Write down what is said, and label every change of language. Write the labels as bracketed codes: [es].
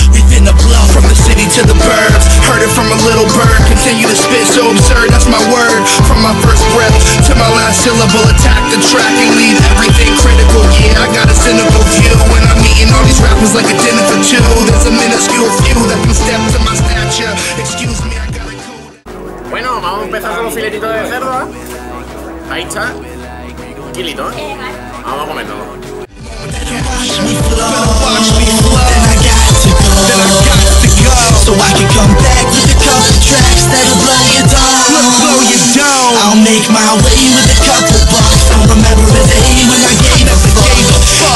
[en] We finna blow from the city to the birds. Heard it from a little bird. Continue to spit so absurd. That's my word. From my first breath to my last syllable. Attack the track and leave everything critical. Yeah, I got a cynical view. When I'm meeting all these rappers like a dinner for two, there's a minuscule few that can step to my stature. Excuse me, I gotta cool. [es] Bueno, vamos a empezar con los filetitos de cerdo. Ahí está. Kilito. Vamos a comerlo. [en] Watch me flow, watch me flow. Then I got to go, then I got to go. So I can come back with a couple tracks that'll blow your dome. I'll make my way with a couple bucks. Don't remember the day when I gave up the fuck.